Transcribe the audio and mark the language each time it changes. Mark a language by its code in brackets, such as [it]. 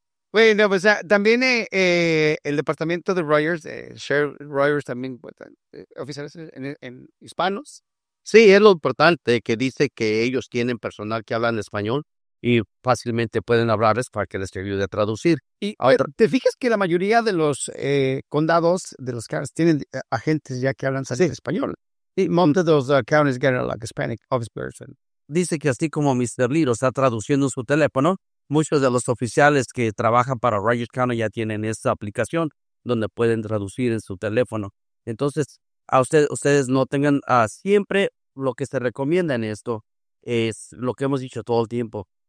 [es] Bueno, pues también el departamento de Rogers, Sheriff Rogers también, oficiales en hispanos. Sí, es lo importante que dice que ellos tienen personal que hablan español y fácilmente pueden hablarles para que les ayude a traducir. Y ahora, ¿te fijas que la mayoría de los condados de los counties tienen agentes ya que hablan español? Sí. [en] Most of those counties get a like, Hispanic office person. [es] Dice que así como Mr. Lee está traduciendo su teléfono, muchos de los oficiales que trabajan para Rogers County ya tienen esa aplicación donde pueden traducir en su teléfono. Entonces, a ustedes no tengan siempre lo que se recomienda en esto es lo que hemos dicho todo el tiempo.